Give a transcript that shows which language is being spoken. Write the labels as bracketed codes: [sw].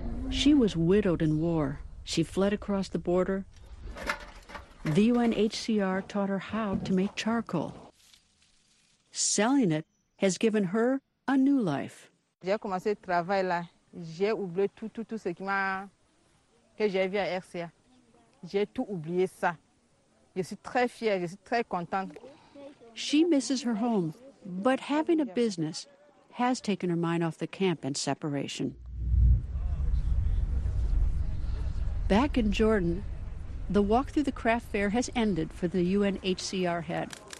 [en] She was widowed in war. She fled across the border. The UNHCR taught her how to make charcoal. Selling it has given her a new life. [fr] J'ai commencé le travail là. J'ai oublié tout ce qui m'a que j'ai vu à RCA. J'ai tout oublié ça. Je suis très fière, je suis très contente. [en] She misses her home, but having a business has taken her mind off the camp and separation. Back in Jordan, the walk through the craft fair has ended for the UNHCR head.